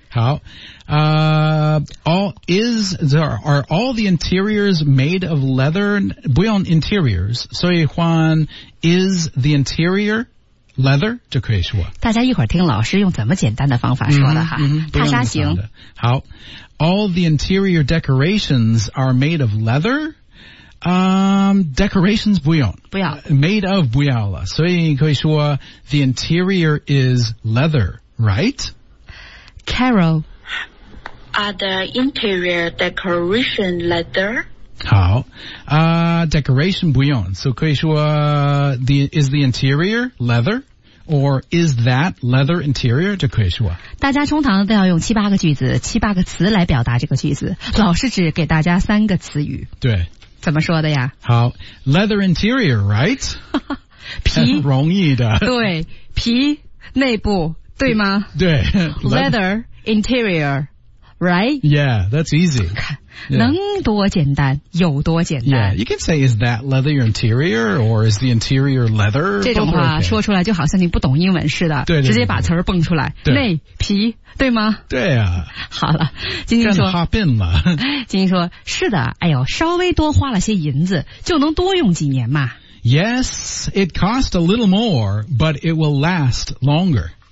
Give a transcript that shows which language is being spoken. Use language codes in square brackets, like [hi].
[en] 好。Are all the interiors made of leather? [zh] 不用 interiors， 所以换 [en] is the interior。 [zh] Leather 就可以说，大家一会儿听老师用怎么简单的方法说的哈，踏沙行。 [en] 好 ，All the interior decorations are made of leather. [zh] Decorations 不用，不要 [en] made of [zh] 不要了，所以可以说 [en] the interior is leather, right? Carol, are the interior decoration leather? 好decoration [zh] 不用，所以可以说 [en] is the interior leather or is that leather interior [zh] 就可以说。大家通常都要用七八个句子，七八个词来表达这个句子，老师只给大家三个词语。对，怎么说的呀？ [en] 好 leather interior right [zh] 皮容易的，对，皮内部对吗？对 [en] leather interior right yeah that's easy [zh] Yeah. 能多简单有多简单。 [en] Yeah, you can say, is that leather your interior, or is the interior leather? [zh] 这种话、说出来就好像你不懂英文似的。对, 对, 对, 对直接把词儿蹦出来。内皮对吗对啊。好了晶晶说。真的 [en] hop in [zh] 了。晶晶说是的哎呦稍微多花了些银子就能多用几年嘛。 [en] Yes, it cost a little more, but it will last longer.